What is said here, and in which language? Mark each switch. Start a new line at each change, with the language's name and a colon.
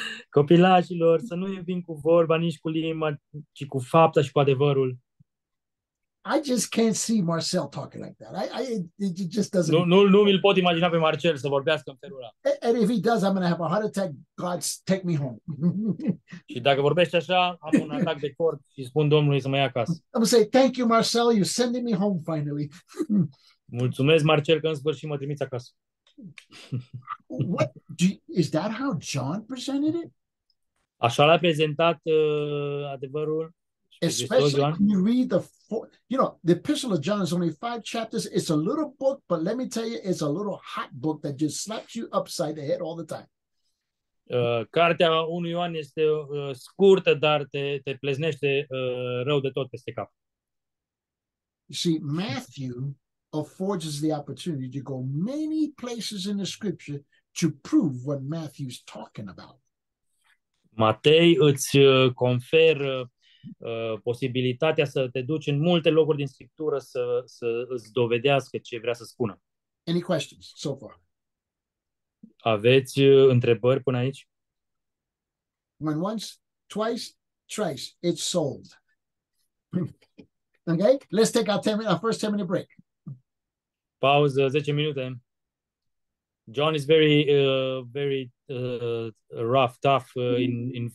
Romanian: Copilașilor, să nu iubim cu vorba, nici cu limba, ci cu fapta și cu adevărul.
English: I just can't see Marcel talking like that. It just doesn't.
Romanian: Nu mi-l pot imagina pe Marcel să vorbească în felul ăla.
English: And if he does, I'm going to have a heart attack. God, take me home.
Romanian: Și dacă vorbește așa, am un atac de cord și spun Domnului să mă ia acasă.
English: I'm going to say, thank you, Marcel. You're sending me home finally.
Romanian: Mulțumesc, Marcel, că în sfârșit mă trimiți acasă.
English: What do you, is that how John presented it?
Romanian: Așa l-a prezentat adevărul.
English: Especially when you read the four, you know, the Epistle of John is only five chapters. It's a little book, but let me tell you, it's a little hot book that just slaps you upside the head all the time.
Romanian: Cartea 1 Ioan este scurtă, dar te pleznește rău de tot peste cap.
English: You see, Matthew affords the opportunity to go many places in the scripture to prove what Matthew's talking about.
Romanian: Matei îți conferă posibilitatea să te duci în multe locuri din scriptură să îți dovedească ce vrea să spună.
English: Any questions so far?
Romanian: Aveți întrebări până aici?
English: When once, twice, thrice, it's sold. Okay? Let's take our first 10-minute break.
Romanian: Pauză, 10 minute.
English: John is very, very rough, tough in